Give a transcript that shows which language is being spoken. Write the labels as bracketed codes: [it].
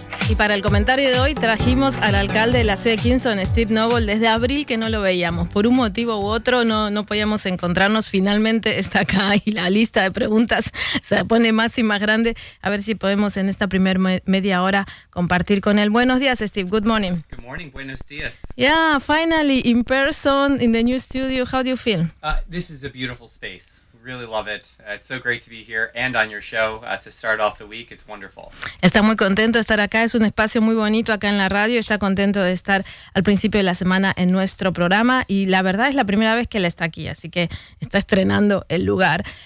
[es] Y para el comentario de hoy trajimos al alcalde de la ciudad de Kingston, Steve Noble. Desde abril que no lo veíamos, por un motivo u otro no podíamos encontrarnos. Finalmente está acá y la lista de preguntas se pone más y más grande. A ver si podemos en esta primera media hora compartir con él. Buenos días, Steve. [en] Good morning. Good morning. [es] Buenos días. [en] Yeah, finally in person in the new studio. How do you feel? This is a beautiful space. really love it. It's so great to be here and on your show to start off the week. It's wonderful. [es] Está muy contento de estar acá. Es un espacio muy bonito acá en la radio. Está contento de estar al principio de la semana en nuestro programa. Y la verdad es la primera vez que él está aquí, así que está estrenando el lugar.